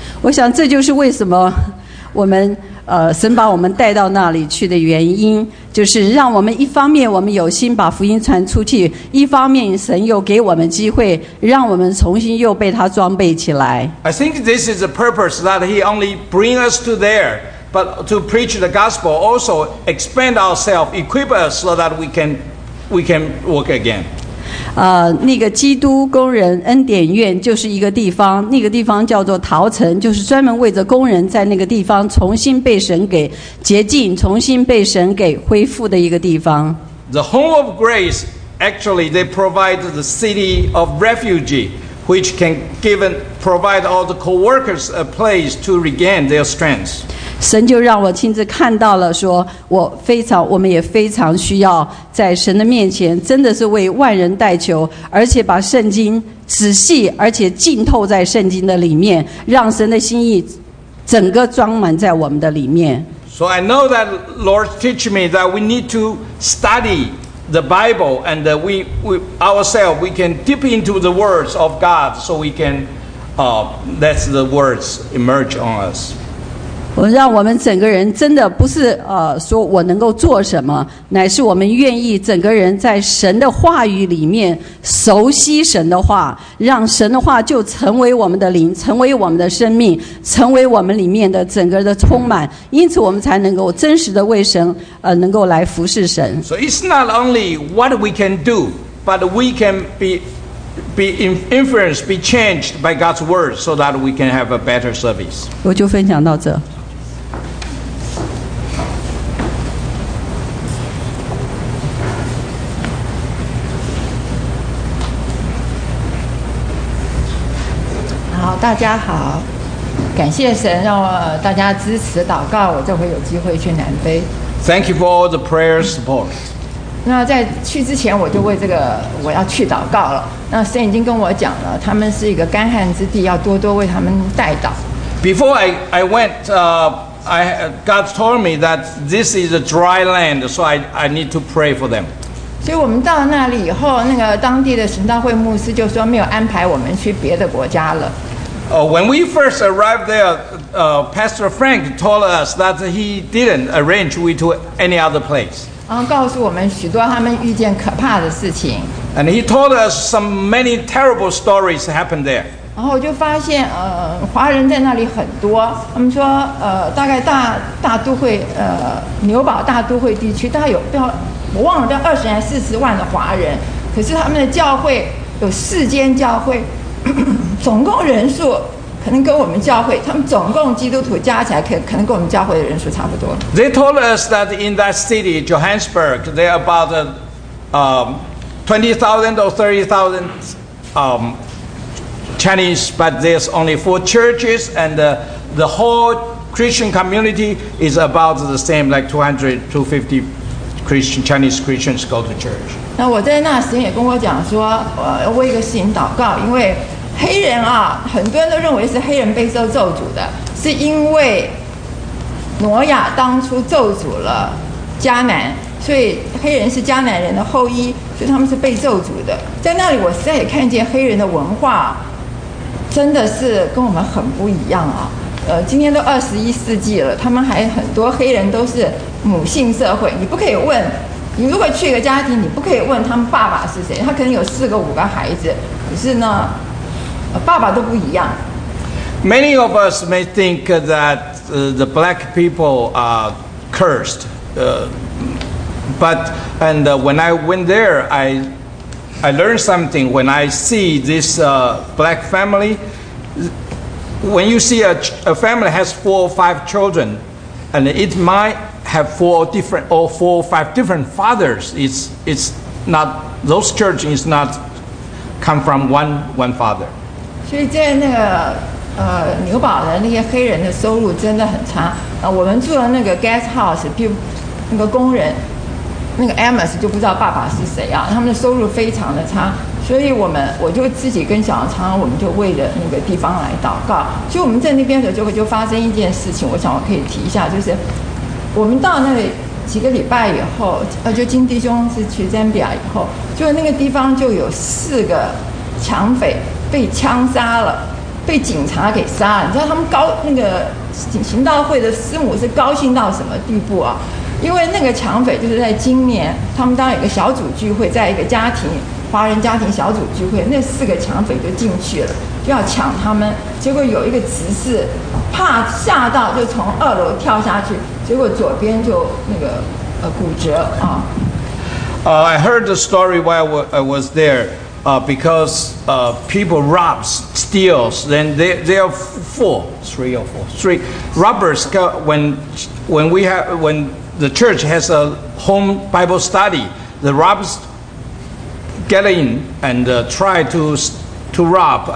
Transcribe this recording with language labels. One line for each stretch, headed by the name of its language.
Chinese: 我想这就是为什么我们神把我们带到那里去的原因，就是让我们一方面我们有心把福音传出去，一方面神又给我们机会，让我们重新又被他装备起来。
English: I think this is the purpose that He only bring us to there, but to preach the gospel, also expand ourselves, equip us so that we can work again.
Chinese: 那个基督工人恩典院就是一个地方，那个地方叫做陶城，就是专门为着工人在那个地方重新被神给洁净，重新被神给恢复的一个地方。
English: The home of grace, actually, they provide the city of refugee, which can provide all the co-workers a place to regain their strength.
Chinese: 神就让我亲自看到了，说我们也非常需要在神的面前真的是为万人代求，而且把圣经仔细而且浸透在圣经的里面，让神的心意整个装满在我们的里面。
English: So I know that Lord teach me that we need to study the Bible and that we ourselves we can dip into the words of God so we can let the words emerge on us.
Chinese: 我让我们整个人真的不是说我能够做什么，乃是我们愿意整个人在神的话语里面熟悉神的话，让神的话就成为我们的灵，成为我们的生命，成为我们里面的整个的充满，因此我们才能够真实的为神能够来服侍神。
English: So it's not only what we can do, but we can be influenced, be changed by God's word so that we can have a better service.
Chinese: 我就分享到这。好，大家好，感谢神让大家支持祷告，我这回有机会去南非。
English: Thank you for all the prayer support.
Chinese: 那在去之前我就为这个我要去祷告了，那神已经跟我讲了他们是一个干旱之地，要多多为他们代祷。
English: Before I went, God told me that this is a dry land, so I need to pray for them.
Chinese: 所以我们到那里以后，那个当地的神道会牧师就说没有安排我们去别的国家了。
English: When we first arrived there, Pastor Frank told us that he didn't arrange we to any other place.
Chinese: 告诉我们许多他们遇见可怕的事情。
English: And he told us some many terrible stories happened there.
Chinese: 然后我就发现，华人在那里很多。他们说，大概大都会，纽堡大都会地区，大概有到我忘了，到二十还四十万的华人。可是他们的教会有四间教会，总共人数可能跟我们教会，他们总共基督徒加起来可能跟我们教会的人数差不多。
English: They told us that in that city, Johannesburg, there are about 20,000 or 30,000 Chinese, but there's only four churches, and the whole Christian community is about the same, like 200-250 Chinese Christians go to church.
Chinese: 那我在那时也跟我讲说，我要为一个事情祷告，因为。黑人啊，很多人都认为是黑人被受咒诅的，是因为挪亚当初咒诅了迦南，所以黑人是迦南人的后裔，所以他们是被咒诅的。在那里，我实在也看见黑人的文化真的是跟我们很不一样啊。今天都二十一世纪了，他们还很多黑人都是母性社会，你不可以问，你如果去一个家庭，你不可以问他们爸爸是谁，他可能有四个五个孩子，可是呢。爸爸都不一样。
English: Many of us may think that the black people are cursed, but when I went there, I learned something. When I see this black family, when you see a family has four or five children, and it might have four or five different fathers, it's not those children is not come from one father.
Chinese: 所以在那个纽堡的那些黑人的收入真的很差啊！我们住的那个
English: guest house，
Chinese: 比如那个工人，那个 Amos 就不知道爸爸是谁啊，他们的收入非常的差。所以我就自己跟小昌，我们就为了那个地方来祷告。就我们在那边的时候，就发生一件事情，我想我可以提一下，就是我们到那里几个礼拜以后，就金弟兄是去 Zambia 以后，就那个地方就有四个抢匪。被枪杀了，被警察给杀了。你知道他们高那个行道会的师母是高兴到什么地步啊？因为那个抢匪就是在今年，他们当有一个小组聚会，在一个家庭华人家庭小组聚会，那四个抢匪就进去了，就要抢他们。结果有一个执事怕吓到，就从二楼跳下去，结果左边就那个骨折啊。
English: I heard the story while I was there. Because people robs, steals, then they are three robbers. When the church has a home Bible study, the robs get in and try to rob.